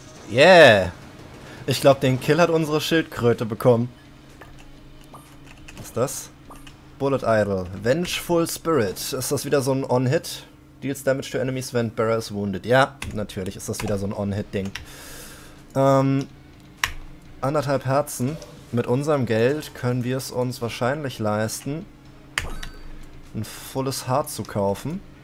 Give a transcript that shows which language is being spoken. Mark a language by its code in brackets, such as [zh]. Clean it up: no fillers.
[de] Yeah! Ich glaube, den Kill hat unsere Schildkröte bekommen. Was ist das? Bullet Idol. Vengeful Spirit. Ist das wieder so ein On-Hit? [en] Deals Damage to Enemies when Bearer is wounded. [de] Ja, natürlich ist das wieder so ein On-Hit-Ding. Anderthalb Herzen. Mit unserem Geld können wir es uns wahrscheinlich leisten, ein volles Haar zu kaufen.